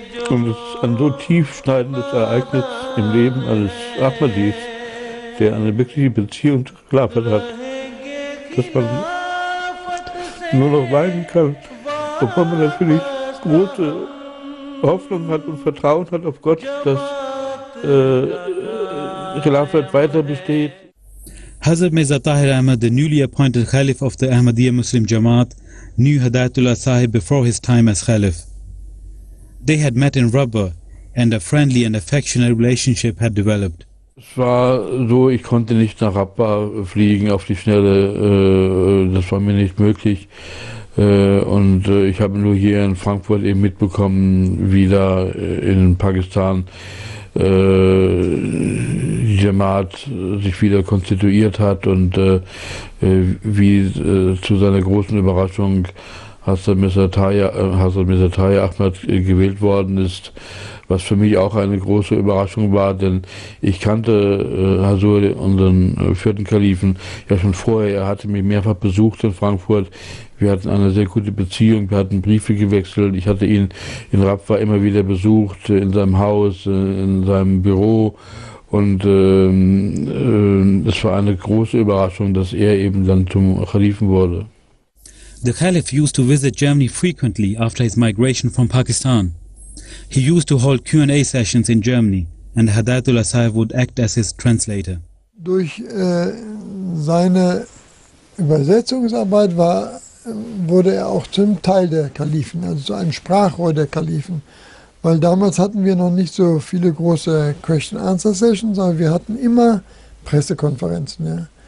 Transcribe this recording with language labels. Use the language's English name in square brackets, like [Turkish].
[German] Und es ist ein so tiefschneidendes Ereignis im Leben eines Ahmadis, der eine wirkliche Beziehung zu Khilafat hat, dass man nur noch weinen kann, obwohl man natürlich große Hoffnung hat und Vertrauen hat auf Gott, dass Khilafat weiter besteht. [English] Hazrat Mirza Tahir Ahmad, the newly appointed Khalif of the Ahmadiyya Muslim Jamaat, knew Hadayatullah Sahib before his time as Khalif. They had met in Rabwa, and a friendly and affectionate relationship had developed. [German] Es war so, ich konnte nicht nach Rabwa fliegen auf die Schnelle, das war mir nicht möglich. Und ich habe nur hier in Frankfurt eben mitbekommen, wie da in Pakistan Jamaat sich wieder konstituiert hat und wie zu seiner großen Überraschung Hazrat Mirza Tahir Ahmad gewählt worden ist, was für mich auch eine große Überraschung war, denn ich kannte Hazur, unseren vierten Kalifen, ja schon vorher. Er hatte mich mehrfach besucht in Frankfurt. Wir hatten eine sehr gute Beziehung, wir hatten Briefe gewechselt. Ich hatte ihn in Rabwa immer wieder besucht, in seinem Haus, in seinem Büro. Und es war eine große Überraschung, dass er eben dann zum Kalifen wurde. [English] The Caliph used to visit Germany frequently after his migration from Pakistan. He used to hold Q&A sessions in Germany, and Hadayatullah Sahib would act as his translator. [German] Durch seine Übersetzungsarbeit wurde er auch zum Teil der Kalifen, also zu einem Sprachrohr der Kalifen. Weil damals hatten wir noch nicht so viele große Question-Answer-Sessions, aber wir hatten immer Pressekonferenzen. Ja.